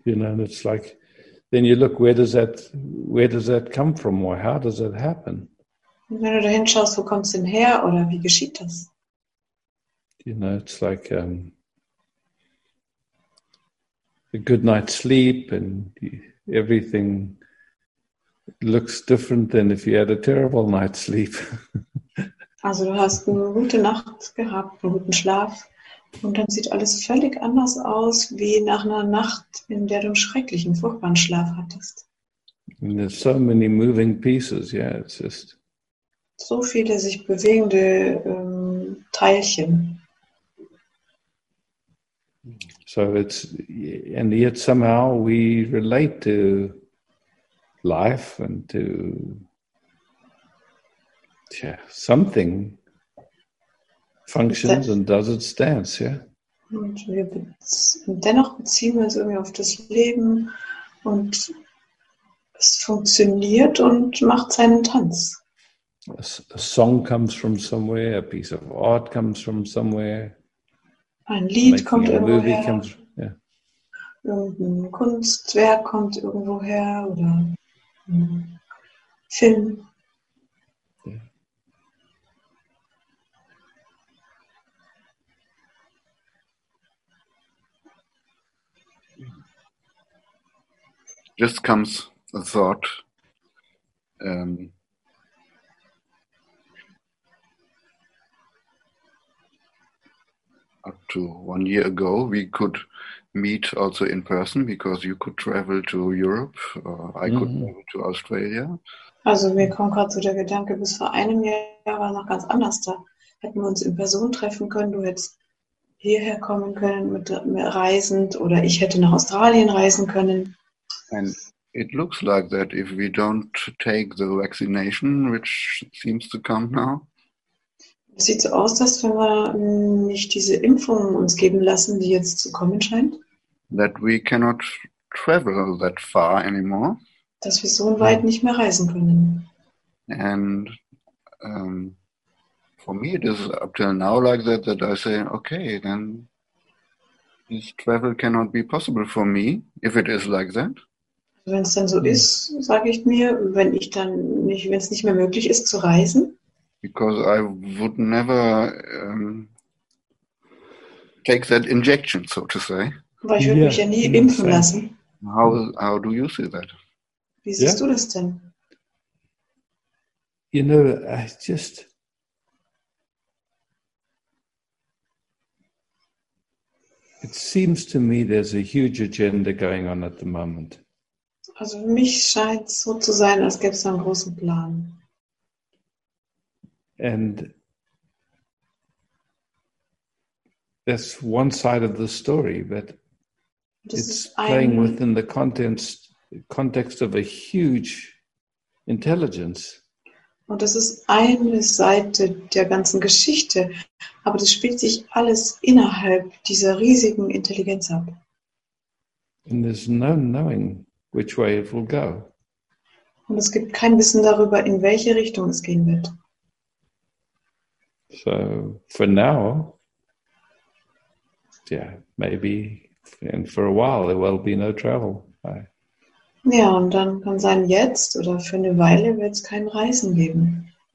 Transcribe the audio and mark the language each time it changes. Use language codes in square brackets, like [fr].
[en] You know, and it's like, then you look, where does that come from, or how does that happen? [de] Und wenn du da hinschaust, wo kommt es denn her, oder wie geschieht das? [en] You know, it's like a good night's sleep, and everything looks different than if you had a terrible night's sleep. [de] Also du hast eine gute Nacht gehabt, einen guten Schlaf, und dann sieht alles völlig anders aus, wie nach einer Nacht, in der du einen schrecklichen, furchtbaren Schlaf hattest. [en] And there's so many moving pieces, yeah, it's just... [de] So viele sich bewegende Teilchen. [en] So it's, and yet somehow we relate to life and to something functions and does its dance, yeah. [de] Und wir dennoch beziehen wir uns irgendwie auf das Leben und es funktioniert und macht seinen Tanz. [en] A song comes from somewhere, a piece of art comes from somewhere. [de] Ein Lied kommt irgendwoher. [en] Comes, [de] Irgendein Kunstwerk kommt irgendwoher oder ein Film. [en] Just comes a thought. Up to 1 year ago, we could meet also in person because you could travel to Europe, or I could travel to Australia. [de] Also mir kommt gerade so der Gedanke, bis vor einem Jahr war noch ganz anders da. Hätten wir uns in Person treffen können, du hättest hierher kommen können mit reisend oder ich hätte nach Australien reisen können. [en] And it looks like that if we don't take the vaccination, which seems to come now. [de] Es sieht so aus, dass wenn wir nicht diese Impfung uns geben lassen, die jetzt zu kommen scheint. [en] That we cannot travel that far anymore. [de] Dass wir so weit nicht mehr reisen können. [en] And for me it is up till now like that, that I say, okay, then this travel cannot be possible for me, if it is like that. [de] Wenn es dann so ist, sage ich mir, wenn ich dann nicht, wenn es nicht mehr möglich ist zu reisen. [en] Because I would never take that injection, so to say. [de] Weil ich würde mich ja nie impfen lassen. [en] How do you see that? [de] Wie siehst du das denn? [en] You know, I just it seems to me there's a huge agenda going on at the moment. [de] Also für mich scheint es so zu sein, als gäbe es einen großen Plan. [en] And that's one side of the story, but it's playing within the context of a huge intelligence. [de] Und das ist eine Seite der ganzen Geschichte, aber das spielt sich alles innerhalb dieser riesigen Intelligenz ab. [en] And there's no knowing which way it will go. [de] Und es gibt kein Wissen darüber, in welche Richtung es gehen wird. [en] So, for now, maybe, and for a while, there will be no travel. [de] Ja, und dann kann sein, jetzt oder für eine Weile wird es kein Reisen geben.